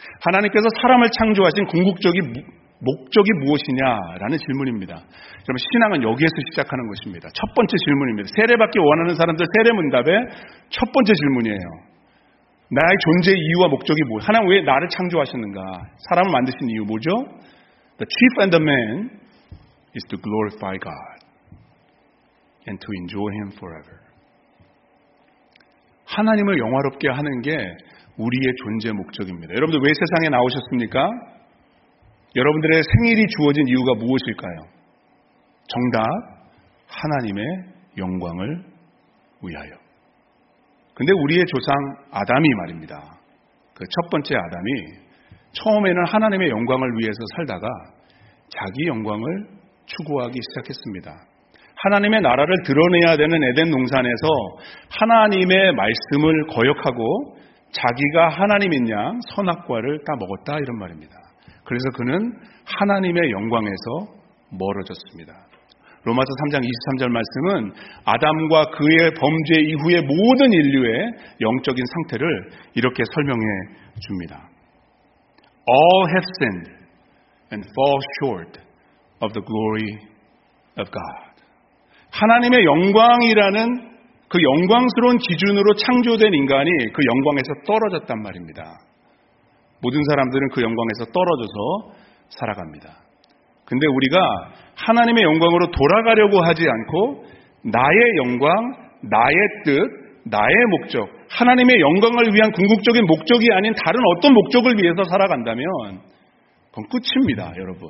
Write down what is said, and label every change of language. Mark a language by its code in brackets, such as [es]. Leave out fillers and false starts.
[ko] 하나님께서 사람을 창조하신 궁극적인 목적이 무엇이냐라는 질문입니다. 그럼 신앙은 여기에서 시작하는 것입니다. 첫 번째 질문입니다. 세례받기 원하는 사람들 세례문답의 첫 번째 질문이에요. 나의 존재 이유와 목적이 뭐? 하나님 왜 나를 창조하셨는가? 사람을 만드신 이유 뭐죠? [en] The chief and the man is to glorify God and to enjoy Him forever. [ko] 하나님을 영화롭게 하는 게 우리의 존재 목적입니다. 여러분들 왜 세상에 나오셨습니까? 여러분들의 생일이 주어진 이유가 무엇일까요? 정답, 하나님의 영광을 위하여. 근데 우리의 조상 아담이 말입니다. 그 첫 번째 아담이 처음에는 하나님의 영광을 위해서 살다가 자기 영광을 추구하기 시작했습니다. 하나님의 나라를 드러내야 되는 에덴 농산에서 하나님의 말씀을 거역하고 자기가 하나님인 양 선악과를 따먹었다 이런 말입니다. 그래서 그는 하나님의 영광에서 멀어졌습니다. 로마서 3장 23절 말씀은 아담과 그의 범죄 이후의 모든 인류의 영적인 상태를 이렇게 설명해 줍니다. [en] All have sinned and fall short of the glory of God. [ko] 하나님의 영광이라는 그 영광스러운 기준으로 창조된 인간이 그 영광에서 떨어졌단 말입니다. 모든 사람들은 그 영광에서 떨어져서 살아갑니다. 근데 우리가 하나님의 영광으로 돌아가려고 하지 않고 나의 영광, 나의 뜻, 나의 목적, 하나님의 영광을 위한 궁극적인 목적이 아닌 다른 어떤 목적을 위해서 살아간다면 그건 끝입니다, 여러분.